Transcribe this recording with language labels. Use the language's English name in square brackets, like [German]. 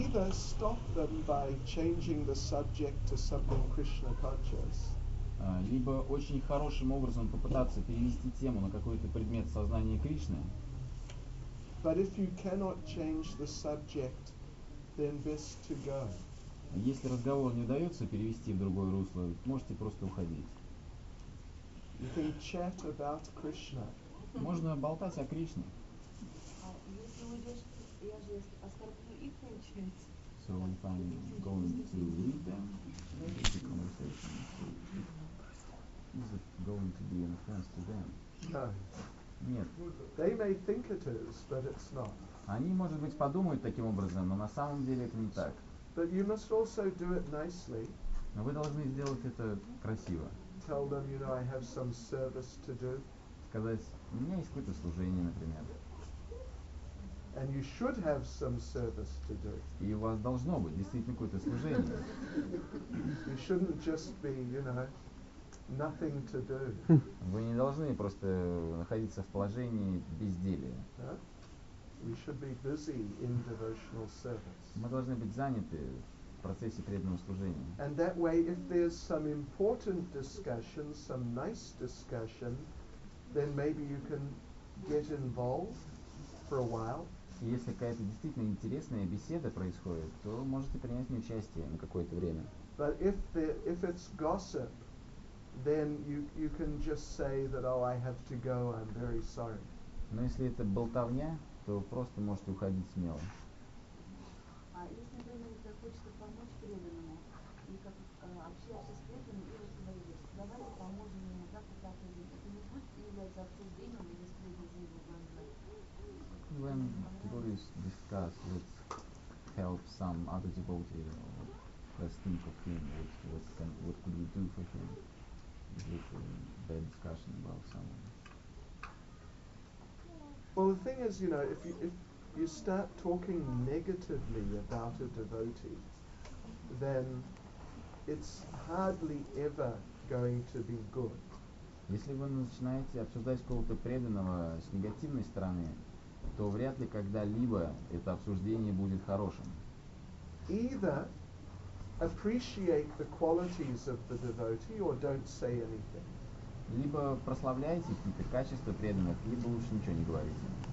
[English] Stop them by changing the subject to something Krishna conscious. [Russian] Либо очень хорошим образом попытаться перенести тему на какой-то предмет сознания Кришны. [English] But if you cannot change the subject, then best to go. [Russian] Если разговор не удается перевести в другое русло, можете просто уходить. [English] You can chat about Krishna. [Russian] Можно болтать о Кришне. А если уйдешь, я же оскорблю их, получается. [English] So if I'm going to lead them into the conversation, is it going to be an offense to them? No. [Russian] Нет. [English] They may think it is, but it's not. [Russian] Они, может быть, подумают таким образом, но на самом деле это не так. [English] But you must also do it nicely. [Russian] Но вы должны сделать это красиво. [English] Tell them, you know, I have some service to do. [Russian] Сказать, у меня есть какое-то служение, например. [English] And you should have some service to do. [Russian] И у вас должно быть действительно какое-то служение. [English] You shouldn't just be, you know, nothing to do. [Russian] Вы не должны просто находиться в положении безделия. [English] We should be busy in devotional service. [Russian] Мы должны быть заняты в процессе преданного служения. [English] And that way, if there's some important discussion, some nice discussion, then maybe you can get involved for a while. [Russian] Если какая-то действительно интересная беседа происходит, то можете принять участие на какое-то время. [English] But if it's gossip, then you can just say that, oh, I have to go, I'm very sorry. [Russian] Но если это болтовня, то просто можете уходить смело. А если, например, захочется помочь преданному, и как общаться с преданным, или говорить, давай поможем ему, так и так, это не будет являться обсуждением, или с преданным его ванной? Вен. [English] Always discuss with help some other devotee, you know, or let's think of him, what could we do for him, with a bad discussion about someone. Well, the thing is, you know, if you start talking negatively about a devotee, then it's hardly ever going to be good. [Russian] Если вы начинаете обсуждать кого-то преданного с негативной стороны, то вряд ли когда-либо это обсуждение будет хорошим. [English] Either appreciate the qualities of the devotee or don't say anything. [Russian] Либо прославляйте какие-то качества преданных, либо лучше ничего не говорите.